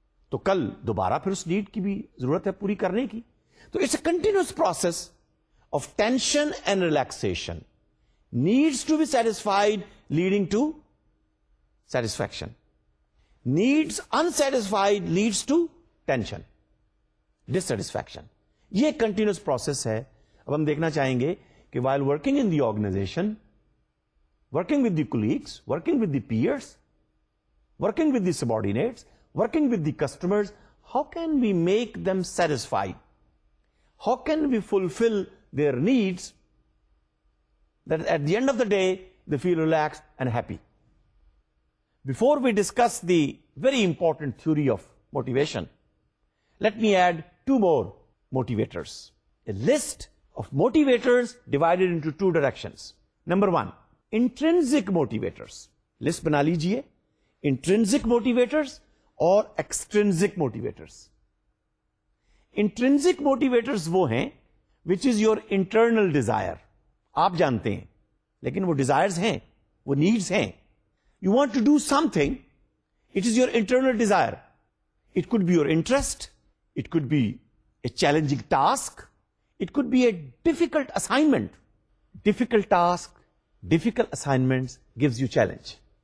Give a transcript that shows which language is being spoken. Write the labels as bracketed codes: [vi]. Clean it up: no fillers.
[ur] تو کل دوبارہ پھر اس نیڈ کی بھی ضرورت ہے پوری کرنے کی. [en] تو it's a continuous process of tension and relaxation, needs to be satisfied leading to satisfaction, needs unsatisfied leads to tension dissatisfaction. [ur] یہ کنٹینیوس پروسیس ہے. اب ہم دیکھنا چاہیں گے کہ [en] While working in the organisation, working with the colleagues, working with the peers, working with the subordinates, working with the customers, how can we make them satisfied, how can we fulfil their needs that at the end of the day they feel relax and happy. Before we discuss the very important theory of motivation, let me add two more motivators, a list of motivators divided into two directions. Number one, intrinsic motivators. List [ur] بنا لیجیے, [en] Intrinsic motivators اور extrinsic motivators. [ur] Intrinsic motivators وہ ہیں [en] which is your internal desire, [ur] آپ جانتے ہیں, لیکن وہ ڈیزائرز ہیں, وہ نیڈز ہیں. [en] You want to do something, it is your internal desire. It could be your interest, it could be a challenging task, it could be a difficult assignment. Difficult task, difficult assignments gives you challenge.